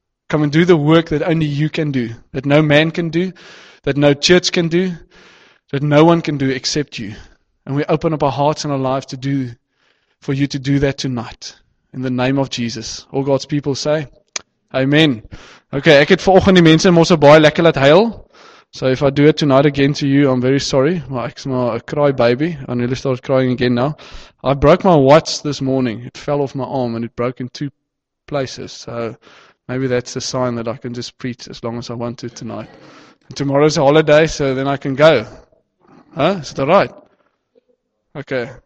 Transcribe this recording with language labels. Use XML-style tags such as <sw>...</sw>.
<en>Come and do the work that only you can do, that no man can do, that no church can do, that no one can do except you. And we open up our hearts and our lives to do for you to do that tonight. In the name of Jesus, all God's people say, amen.</en> <af>Okay, ek het vanoggend die mense mos so baie lekker laat huil.</af> <en>So if I do it tonight again to you, I'm very sorry.</en> <af>Maar ek's maar 'n cry baby.</af> <en>I nearly started crying again now. I broke my watch this morning. It fell off my arm and it broke in 2 places. So maybe that's a sign that I can just preach as long as I want to tonight. And tomorrow's a holiday, so then I can go. Huh? Is that right? Okay.</en>